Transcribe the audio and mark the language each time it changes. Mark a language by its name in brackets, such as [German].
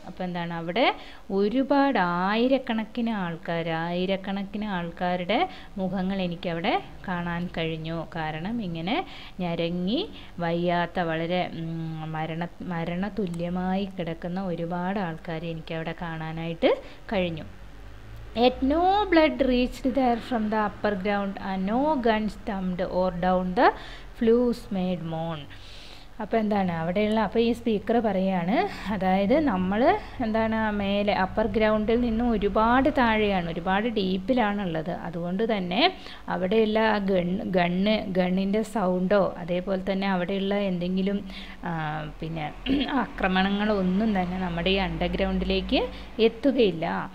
[Malayalam] അപ്പോൾ എന്താണ് അവിടെ ഒരുപാട് ആയിരക്കണക്കിന് ആൾക്കാർ, ആയിരക്കണക്കിന് ആൾക്കാരുടെ മുഖങ്ങൾ എനിക്കവിടെ കാണാൻ കഴിഞ്ഞു, കാരണം ഇങ്ങനെ ഞരങ്ങി വയ്യാത്ത വളരെ മരണതുല്യമായി കിടക്കുന്ന ഒരുപാട് ആൾക്കാരെ എനിക്കവിടെ കാണാനായിട്ട് കഴിഞ്ഞു. [English] Yet no blood reached there from the upper ground and no guns thumbed or down the flues made moan. [Malayalam] അപ്പോൾ എന്താണ് അവിടെയുള്ള, അപ്പോൾ ഈ സ്പീക്കർ പറയുകയാണ്, അതായത് നമ്മൾ എന്താണ് മേലെ അപ്പർ ഗ്രൗണ്ടിൽ നിന്നും ഒരുപാട് താഴെയാണ്, ഒരുപാട് ഡീപ്പിലാണുള്ളത്, അതുകൊണ്ട് തന്നെ അവിടെയുള്ള ആ ഗണ്ണിൻ്റെ സൗണ്ടോ അതേപോലെ തന്നെ അവിടെയുള്ള എന്തെങ്കിലും പിന്നെ ആക്രമണങ്ങളോ ഒന്നും തന്നെ നമ്മുടെ ഈ അണ്ടർഗ്രൗണ്ടിലേക്ക് എത്തുകയില്ല.